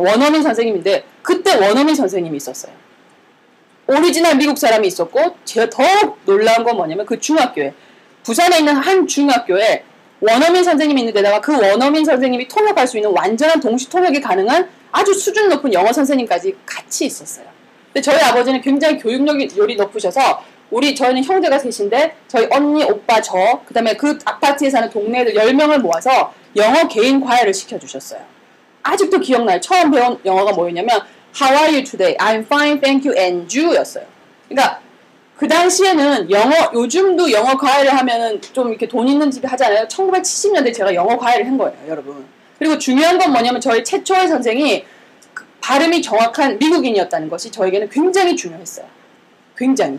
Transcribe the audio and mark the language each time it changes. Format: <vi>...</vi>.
<ko>원어민 선생님인데 그때 원어민 선생님이 있었어요. 오리지널 미국 사람이 있었고 제가 더 놀라운 건 뭐냐면 그 중학교에 부산에 있는 한 중학교에 원어민 선생님이 있는 데다가 그 원어민 선생님이 통역할 수 있는 완전한 동시 통역이 가능한 아주 수준 높은 영어 선생님까지 같이 있었어요. 근데 저희 아버지는 굉장히 교육열이 높으셔서 우리 저희는 형제가 셋인데 저희 언니, 오빠, 저 그다음에 그 아파트에 사는 동네 애들 10명을 모아서 영어 개인 과외를 시켜주셨어요. 아직도 기억나요.</ko> <en>처음 배운 영어가 뭐였냐면 How are you today? I'm fine, thank you, and you 였어요.</en> <ko>그러니까 그 당시에는 영어, 요즘도 영어 과외를 하면은 좀 이렇게 돈 있는 집이 하잖아요. 1970년대 제가 영어 과외를 한 거예요, 여러분. 그리고 중요한 건 뭐냐면 저희 최초의 선생이 그 발음이 정확한 미국인이었다는 것이 저에게는 굉장히 중요했어요. 굉장히.</ko>